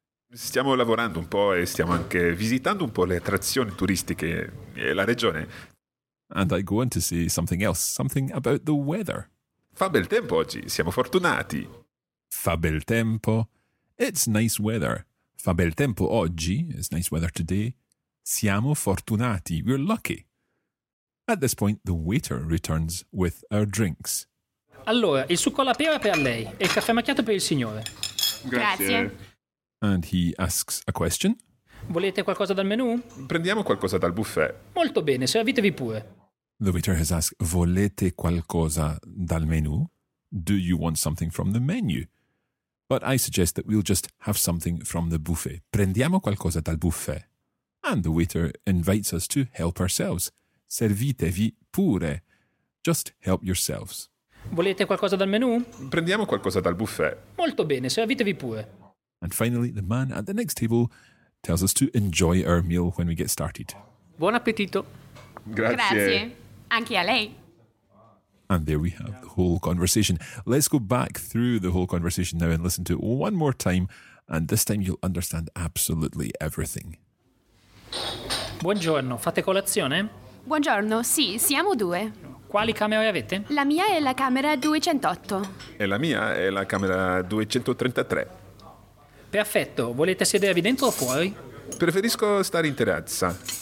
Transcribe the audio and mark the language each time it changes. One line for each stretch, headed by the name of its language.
Italian: Stiamo lavorando un po' e stiamo anche visitando un po' le attrazioni turistiche e la regione.
English: And I go on to say something else, something about the weather.
Italian: Fa bel tempo oggi, siamo fortunati. Fa bel tempo.
English: It's nice weather.
Italian: Fa bel tempo oggi.
English: It's nice weather today.
Italian: Siamo fortunati.
English: We're lucky. At this point, the waiter returns with our drinks.
Italian: Allora, il succo alla pera per lei e il caffè macchiato per il signore. Grazie.
English: And he asks a question.
Italian: Volete qualcosa dal menù? Prendiamo qualcosa dal buffet. Molto bene, servitevi pure.
English: The waiter has asked,
Italian: volete qualcosa dal menù?
English: Do you want something from the menu? But I suggest that we'll just have something from the buffet.
Italian: Prendiamo qualcosa dal buffet.
English: And the waiter invites us to help ourselves.
Italian: Servitevi pure.
English: Just help yourselves.
Italian: Volete qualcosa dal menù? Prendiamo qualcosa dal buffet. Molto bene, servitevi pure.
English: And finally, the man at the next table tells us to enjoy our meal when we get started.
Italian: Buon appetito. Grazie. Grazie. Anche a lei.
English: And there we have the whole conversation. Let's go back through the whole conversation now and listen to it one more time. And this time you'll understand absolutely everything.
Italian: Buongiorno, fate colazione? Buongiorno, sì, siamo due. Quali camere avete? La mia è la camera 208. E la mia è la camera 233. Perfetto, volete sedervi dentro o fuori? Preferisco stare in terrazza.